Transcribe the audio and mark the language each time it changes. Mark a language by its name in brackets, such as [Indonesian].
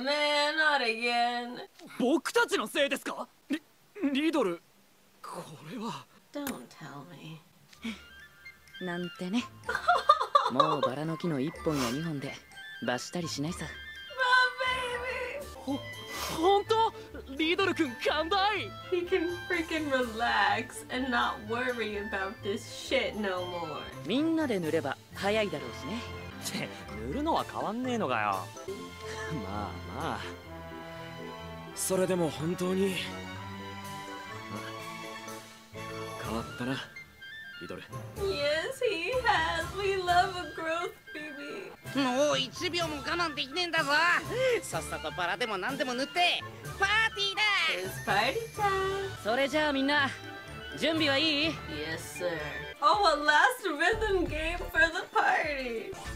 [English] Oh man, not again. [Japanese] 僕たちのせいですか？リドル、これは。 [English] Don't tell me. [Japanese] なんてね。もうバラの木の1本や2本で罰したりしないさ。 [English] My baby! [Japanese] ほんと？リドル君、寛大。 [English] He can freaking relax and not worry about this shit no more. [Japanese] みんなで塗れば早いだろうしね。って、塗るのは変わんねえのかよ。まあまあ。それでも本当に、変わったな、リドル。 [English] Yes, he has. We love a growth baby. [Japanese] もう1秒も我慢できねえんだぞ。さっさとバラでも何でも塗ってパーティーだ。 [English] It's party time. [Japanese] それじゃあみんな準備はいい？ [English] Yes sir. Oh, a last rhythm game for the party.